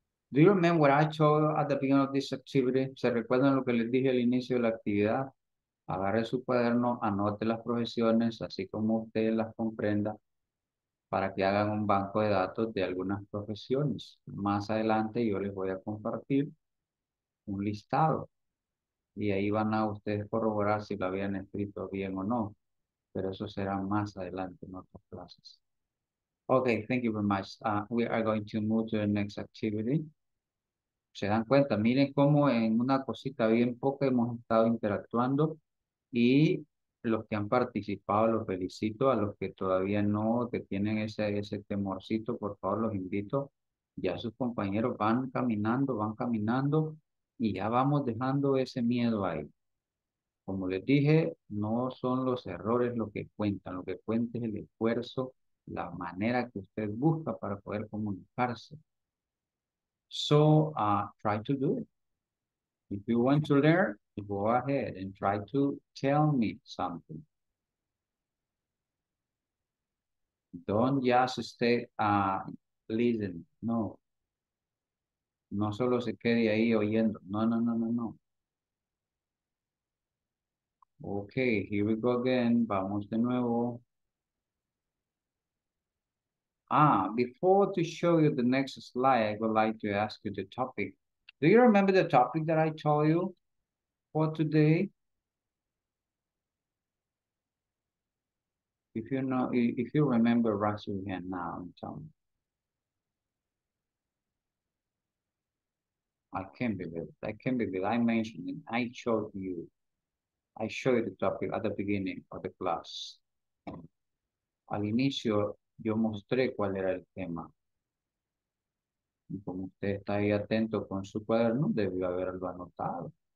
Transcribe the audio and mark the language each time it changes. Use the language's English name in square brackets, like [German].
[English] Do you remember what I told at the beginning of this activity? [Spanish] ¿Se recuerdan lo que les dije al inicio de la actividad? Agarre su cuaderno, anote las profesiones, así como usted las comprenda, para que hagan un banco de datos de algunas profesiones. Más adelante yo les voy a compartir un listado y ahí van a ustedes corroborar si lo habían escrito bien o no, pero eso será más adelante en otras clases. Okay, thank you very much. We are going to move to the next activity. Se dan cuenta, miren cómo en una cosita bien poca hemos estado interactuando y los que han participado, los felicito. A los que todavía no, que tienen ese temorcito, por favor, los invito. Ya sus compañeros van caminando y ya vamos dejando ese miedo ahí. Como les dije, no son los errores lo que cuentan, lo que cuenta es el esfuerzo, la manera que usted busca para poder comunicarse. [English] So, try to do it. If you want to learn, go ahead and try to tell me something. Don't just stay listening. No. [Spanish] No solo se quede ahí oyendo. No. [English] Okay, here we go again. [Spanish] Vamos de nuevo. [English] Before to show you the next slide, I would like to ask you the topic. Do you remember the topic that I told you for today? If you remember, raise your hand now and tell me. I can't believe I mentioned it. I showed you the topic at the beginning of the class. [Spanish] Al inicio, yo mostré cuál era el tema. Y como usted está ahí atento con su cuaderno, debió haberlo anotado.